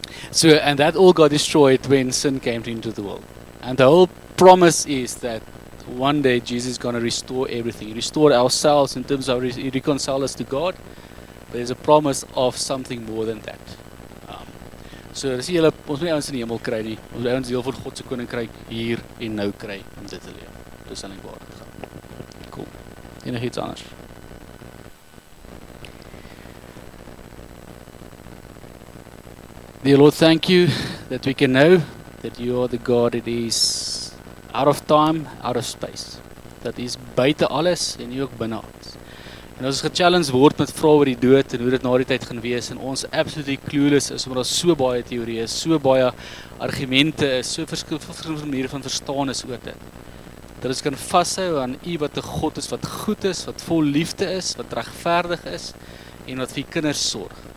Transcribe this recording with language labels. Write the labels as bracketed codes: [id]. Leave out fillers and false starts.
[en] So, and that all got destroyed when sin came into the world. And the whole promise is that one day Jesus is going to restore everything. Restore ourselves in terms of reconcile us to God. But there's a promise of something more than that. [af] So, dis julle, ons moet nie ons in die hemel kry nie. Ons moet ons deel van God se koninkryk hier en nou kry om dit te leef. Dis aan die waar te gaan. Cool. Enig iets anders? [en] Dear Lord, thank you that we can know that you are the God that is out of time, out of space. [af] Dat is buite alles en jy ook binne alles. En ons is gechallenged word met vrae oor die dood en hoe dit na die tyd gaan wees en ons absoluut clueless is omdat daar so baie teorieë is, so baie argumente is, so verskillende maniere van verstaan is oor dit. Dat ons kan vashou aan u wat 'n God is wat goed is, wat vol liefde is, wat regverdig is en wat vir kinders sorg.